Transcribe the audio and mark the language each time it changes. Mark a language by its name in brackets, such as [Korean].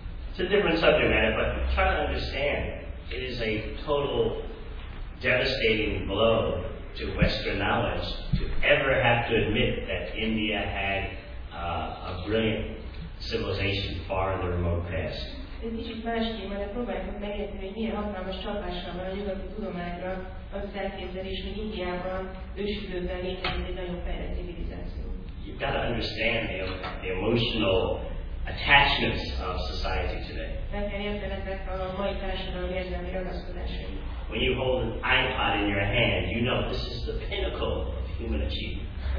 [English] it's a different subject matter, but try to understand, it is a total devastating blow to Western knowledge to ever have to admit that India had a brilliant civilization far in the remote past. [Hungarian] Ez kicsit más téma, de próbáljuk megérteni, hogy milyen hatalmas csapással van a nyugati tudományra az elképzelés, hogy Indiában ősidőben létezett egy nagyon fejlett civilizáció. [English] You've got to understand the emotional attachments of society today. When you hold an iPod in your hand, you know this is the pinnacle of human achievement.